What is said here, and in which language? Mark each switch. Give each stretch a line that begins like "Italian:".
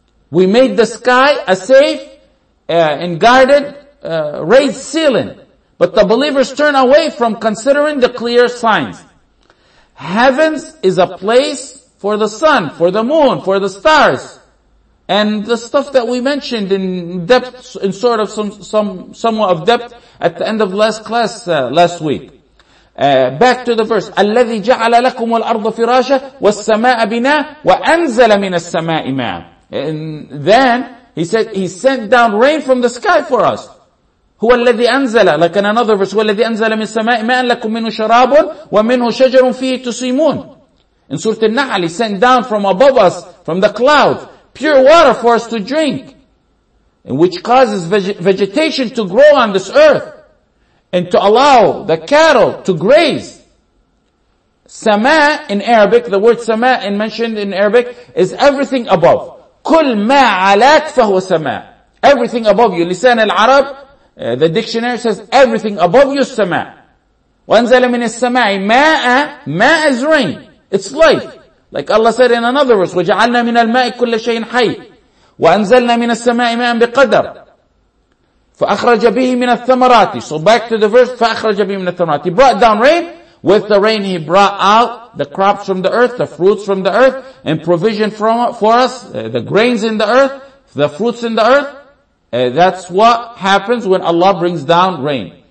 English: We made the sky a safe and guarded, raised ceiling, but the believers turn away from considering the clear signs. Heavens is a place for the sun, for the moon, for the stars, and the stuff that we mentioned in depth, in sort of somewhat of depth at the end of last class last week. Back to the verse:
Arabic: الَّذِي جَعَلَ لَكُمُ الْأَرْضَ فِرَاشًا وَالسَّمَاءَ بِنَاءً وَأَنزَلَ مِنَ السَّمَاءِ مَاءً.
English: And then he said, he sent down rain from the sky for us.
Arabic: هو الذي أنزل,
English: like in another verse,
Arabic: هو الذي أنزل من السماء ماء لكم منه شراب ومنه شجر فيه تسيمون.
English: In Surah Al-Nahl, he sent down from above us, from the clouds, pure water for us to drink, and which causes vegetation to grow on this earth, and to allow the cattle to graze. سماء in Arabic, the word سماء in mentioned in Arabic, is everything above.
Arabic: كل ما علاك فهو سماء.
English: Everything above you. لسان العرب, the dictionary says, everything above you is sama.
Arabic: وَأَنْزَلَ مِنِ السَّمَاءِ مَاءَ. مَاء
English: is rain. It's life. Like Allah said in another verse,
Arabic: وَجَعَلْنَا مِنَ الْمَاءِ كُلَّ شَيْءٍ حَيٍّ وَأَنْزَلْنَا مِنَ السَّمَاءِ مَاءً بِقَدَرٍ فَأَخْرَجَ بِهِ مِنَ الثَّمَرَاتِ.
English: So back to the verse,
Arabic: فَأَخْرَجَ بِهِ مِنَ الثَّمَرَاتِ.
English: He brought down rain. With the rain, he brought out the crops from the earth, the fruits from the earth, and provision for us, the grains in the earth, the fruits in the earth. That's what happens when Allah brings down rain.